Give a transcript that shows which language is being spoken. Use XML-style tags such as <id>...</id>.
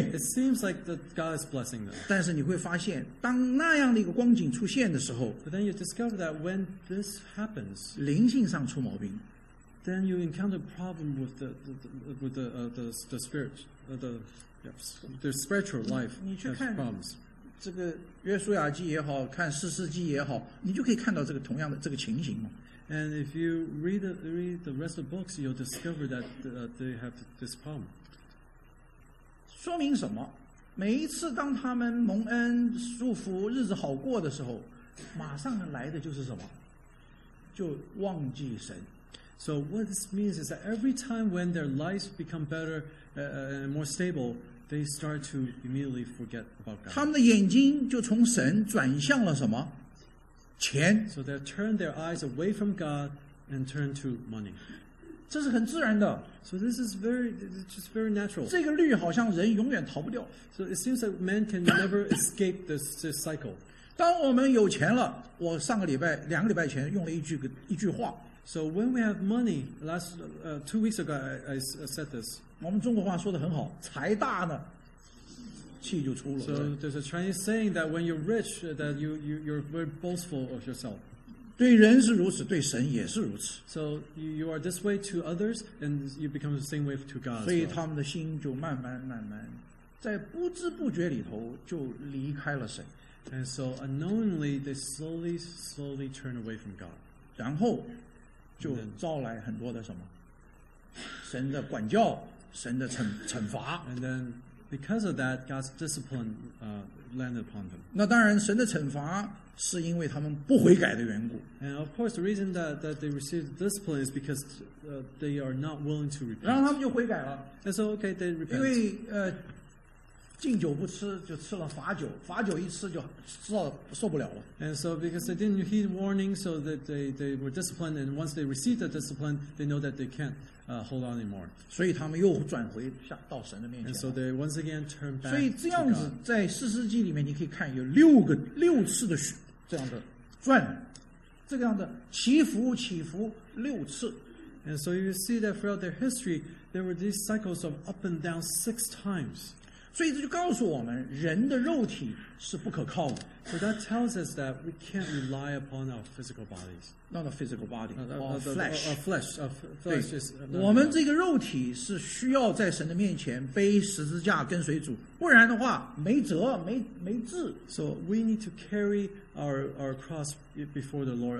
<en>It seems like that God is blessing them.</en> <zh>但是你会发现，当那样的一个光景出现的时候，</zh> <en>But then you discover that when this happens,</en> <zh>灵性上出毛病，</zh> <en>then you encounter a problem with the spirit, the spiritual life.</en> <zh>你去看</zh> <en>problems.</en> <zh>这个约书亚记也好，看士师记也好，你就可以看到这个同样的这个情形嘛。</zh> <en>And if you read the rest of the books, you'll discover that they have this problem.</en> <zh>说明什么？每一次当他们蒙恩祝福，日子好过的时候，马上来的就是什么？就忘记神。</zh> <en>So what this means is that every time when their lives become better and more stable, they start to immediately forget about God.</en> <zh>他们的眼睛就从神转向了什么？钱。</zh> <en>So they turn their eyes away from God and turn to money.</en> <zh>这是很自然的。</zh> <en>So this is very, it's just very natural.</en> <zh>这个律好像人永远逃不掉。</zh> <en>So it seems that man can never escape this cycle.</en> <zh>当我们有钱了，我上个礼拜、两个礼拜前用了一句话。</zh> <en>So when we have money, last two weeks ago I said this.</en> <zh>我们中国话说得很好，财大呢。气就出了。</zh> <en>So there's a Chinese saying that when you're rich, that you're very boastful of yourself.</en> <zh>对人是如此，对神也是如此。</zh> <en>So you are this way to others, and you become the same way to God.</en> <zh>所以他们的心就慢慢慢慢，在不知不觉里头就离开了神。</zh> <en>And so unknowingly, they slowly, slowly turn away from God.</en> <zh>然后就招来很多的什么，神的管教，神的惩罚。</zh> <en>And then. Because of that, God's discipline landed upon them.</en> <zh>那当然，神的惩罚是因为他们不悔改的缘故。</zh> <en>And of course, the reason that they received discipline is because they are not willing to repent.</en> <zh>然后他们就悔改了。</zh> <en>And so, okay, they repent.</en> <zh>因为敬酒不吃，就吃了罚酒，罚酒一吃就受不了了。</zh> <en>And so, because they didn't heed warning, so that they were disciplined, and once they received the discipline, they know that they can't. Hold on anymore.</en> <zh>所以他们又转回到神的面前。</zh> <en>And so they once again turn back.</en> <zh>所以这样子在士师记里面，你可以看有六次的这样的转，这个样的起伏六次。</zh> <en>And so you see that throughout their history, there were these cycles of up and down six times.</en> <zh>所以这就告诉我们，人的肉体是不可靠的。</zh> <en>So that tells us that we can't rely upon our physical bodies. Not a physical body, our flesh. Our flesh.</en> <zh>我们这个肉体是需要在神的面前背十字架跟随主，不然的话没辙，没治。</zh> <en>So we need to carry our cross before the Lord.</en>